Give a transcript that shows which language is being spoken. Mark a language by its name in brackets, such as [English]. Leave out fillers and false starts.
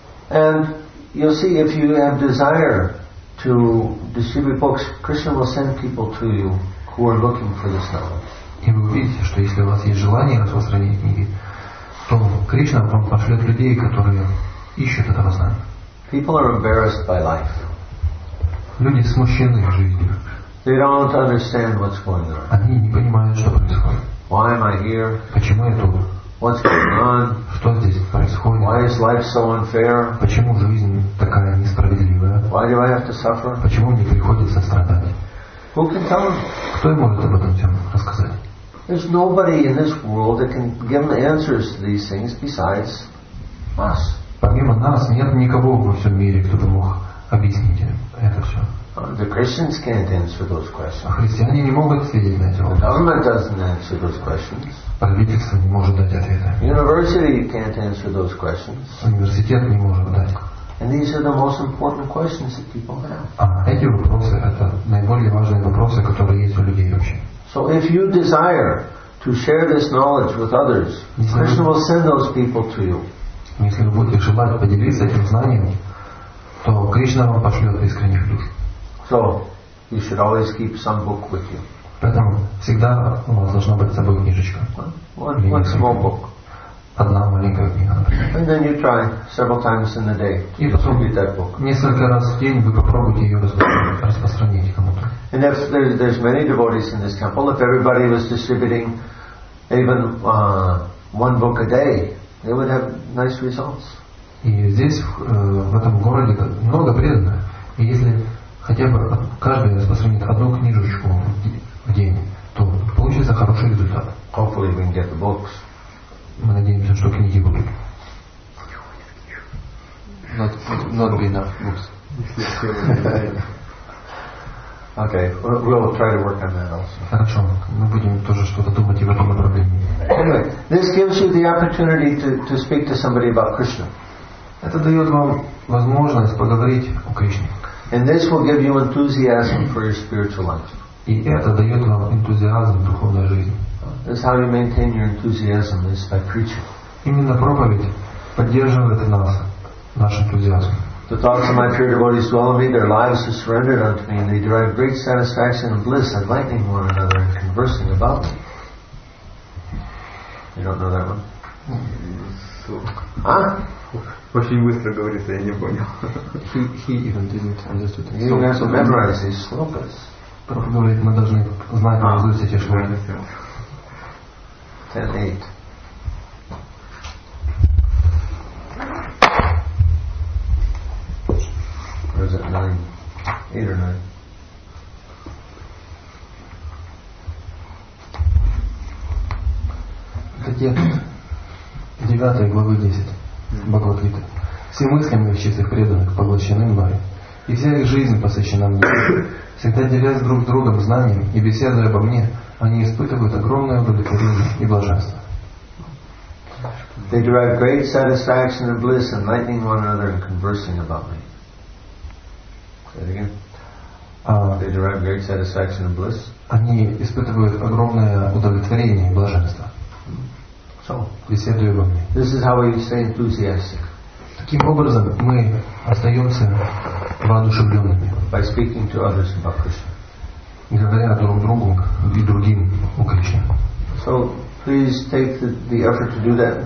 [English] And you'll see if you have desire to distribute books, Krishna will send people to you who are looking for this knowledge. [Russian] И вы увидите, что если у вас есть желание распространить книги, то Кришна вам пошлет людей, которые ищут этого знания. [English] People are embarrassed by life. [Russian] Люди смущены жизнью. [English] They don't understand what's going on. [Russian] Они не понимают, что происходит. [English] Why am I here? [Russian] Почему я тут? [English] What's going on? [Russian] Что здесь происходит? [English] Why is life so unfair? [Russian] Почему жизнь такая несправедливая? [English] Why do I have to suffer? [Russian] Почему мне приходится страдать? [English] Who can tell me? [Russian] Кто может об этом всем рассказать? [English] There's nobody in this world that can give the answers to these things besides us. [Russian] Помимо нас нет никого во всем мире, кто бы мог объяснить это все. [English] The Christians can't answer those questions. [Russian] Христиане не могут ответить на эти вопросы. [English] The government doesn't answer those questions. [Russian] Правительство не может дать ответа. [English] University can't answer those questions. [Russian] Университет не может дать. [English] And these are the most important questions that people have. [Russian] Эти вопросы – это наиболее важные вопросы, которые есть у людей вообще. [English] So if you desire to share this knowledge with others, Krishna will send those people to you. [Russian] Если вы будете желать поделиться этим знанием, то Кришна вам пошлет искренних душ. [English] So you should always keep some book with you. [Russian] Поэтому всегда у вас должна быть с собой книжечка. [English] One small book. [Russian] одна маленькая книга. [English] And then you try several times in the day. [Russian] И потом несколько раз в день вы попробуйте ее распространить кому-то. [English] And there's many devotees in this temple. If everybody was distributing even one book a day, they would have nice results. [Russian] И здесь в этом городе много преданных. И если хотя бы каждый распространит одну книжечку в день, то получится хороший результат. [English] Hopefully we can get the books. [Russian] Мы надеемся, что книги будут. [English] Not be enough books. Okay, we'll try to work on that also. [Russian] Хорошо, мы будем тоже что-то думать и в этом направлении. [English] Anyway, this gives you the opportunity to speak to somebody about Krishna. [Russian] Это дает вам возможность поговорить о Кришне. [English] And this will give you enthusiasm for your spiritual life. [Russian] И это дает вам энтузиазм в духовной жизни. [English] That's how you maintain your enthusiasm is by preaching. [Russian] Именно проповедь поддерживает нас, наш энтузиазм. [English] The thoughts of my pure devotees dwell in me, their lives are surrendered unto me, and they derive great satisfaction and bliss at enlightening one another and conversing about me. You don't know that one? So, huh? [Russian] Очень быстро говорится, я не понял. [English] He even didn't understand. He even has to memorize these slokas. [Russian] Прохо говорит, мы должны знать наизусть эти шлоки. [English] 10:08. Or is it 9:08 or 9? [Russian] Это текст 9 главы 10 Бхагавад-гиты. Все мысли моих чистых преданных поглощены мной, и вся их жизнь посвящена мне. Всегда делясь друг с другом знаниями и беседуя обо мне, они испытывают огромное удовлетворение и блаженство. [English] They derive great satisfaction and bliss in enlightening one another and conversing about me. Say it again. They derive great satisfaction and bliss. [Russian] Они испытывают огромное удовлетворение и блаженство. [English] So, [Russian] беседуя обо мне. [English] This is how we stay enthusiastic. [Russian] Таким образом мы остаемся воодушевленными. [English] By speaking to others about Krishna. [Russian] Говоря друг другу и другим о Кришне. [English] So please take the effort to do that.